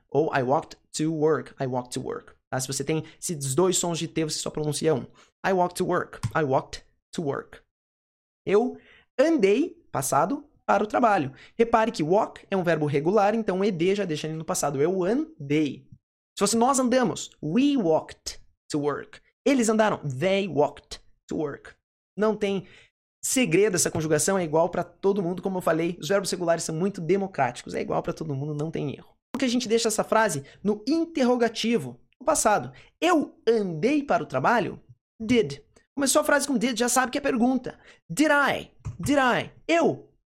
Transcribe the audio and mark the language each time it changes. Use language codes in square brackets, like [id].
[pt] Ou [en] I walked to work. I walked to work. [pt] Tá? Se você tem esses dois sons de T, você só pronuncia um. [en] I walked to work. I walked to work. [pt] Eu andei, passado, para o trabalho. Repare que walk é um verbo regular, então ed já deixa ele no passado. Eu andei. Se fosse nós andamos, [en] we walked to work. [pt] Eles andaram, [en] they walked to work. [pt] Não tem segredo, essa conjugação é igual para todo mundo, como eu falei. Os verbos regulares são muito democráticos, é igual para todo mundo, não tem erro. Porque a gente deixa essa frase no interrogativo, no passado. Eu andei para o trabalho? Did. Começou a frase com did, já sabe que é pergunta. [en] Did I? Did I? [pt] Eu?